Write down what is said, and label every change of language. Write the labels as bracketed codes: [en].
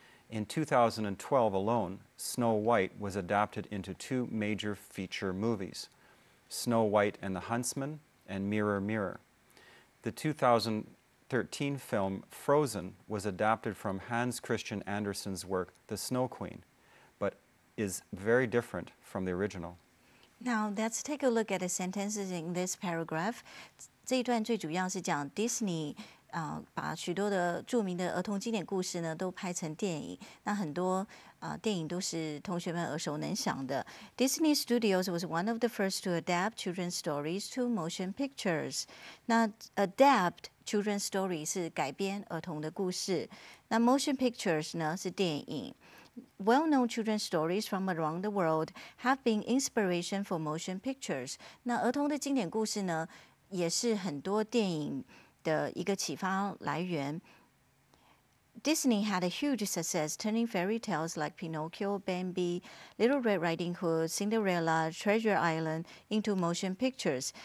[en] In 2012 alone, Snow White was adapted into two major feature movies, Snow White and the Huntsman and Mirror, Mirror. The 2013 film Frozen was adapted from Hans Christian Andersen's work, The Snow Queen, but is very different from the original. Now, let's take a look at the sentences in this paragraph. [zh] 这一段最主要是讲 Disney把许多的著名的儿童经典故事呢都拍成电影，那很多电影都是同学们耳熟能详的。 [en] Disney Studios was one of the first to adapt children's stories to motion pictures. [zh] 那 [en] adapt children's story [zh] 是改编儿童的故事，那 [en] motion pictures [zh] 呢是电影。 [en] Well-known children's stories from around the world have been inspiration for motion pictures. [zh] 那儿童的经典故事呢也是很多电影的一个启发来源。 [en] Disney had a huge success turning fairy tales like Pinocchio, Bambi, Little Red Riding Hood, Cinderella, Treasure Island into motion pictures.